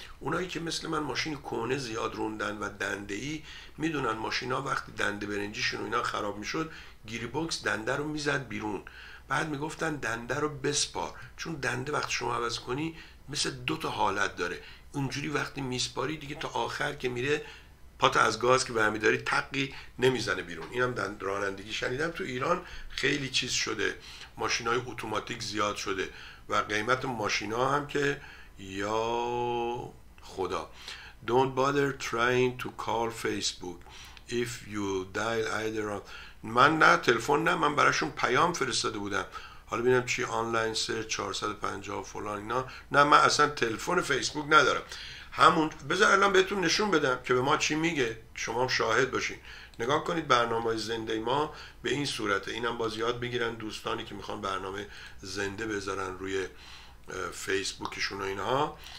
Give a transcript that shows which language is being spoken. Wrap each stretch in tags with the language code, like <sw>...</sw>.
<fa>اونایی که مثل من ماشین کهنه زیاد روندن و دنده‌ای میدونن، ماشینا وقتی دنده برنجیشون و اینا خراب میشد، گیری بوکس دنده رو میزد بیرون، بعد میگفتن دنده رو بسپار، چون دنده وقتی شما عوض کنی مثل دو تا حالت داره، اونجوری وقتی میسپاری دیگه تا آخر که میره پات از گاز که برمیداری تقی نمیزنه بیرون. اینم رانندگی شنیدم تو ایران خیلی چیز شده، ماشین های اوتوماتیک زیاد شده و قیمت ماشین ها هم که یا خدا.</fa> <en>Don't bother trying to call Facebook if you dial either on.</en> <fa>من نه تلفن نه، من براشون پیام فرستاده بودم، حالا ببینم چی، آنلاین سر 450 فلان اینا. نه من اصلا تلفن فیسبوک ندارم. همون بذار الان بهتون نشون بدم که به ما چی میگه، شما هم شاهد باشین. نگاه کنید برنامه زنده ما به این صورته. اینم باز یاد بگیرن دوستانی که میخوان برنامه زنده بذارن روی فیسبوکشون و اینها.</fa>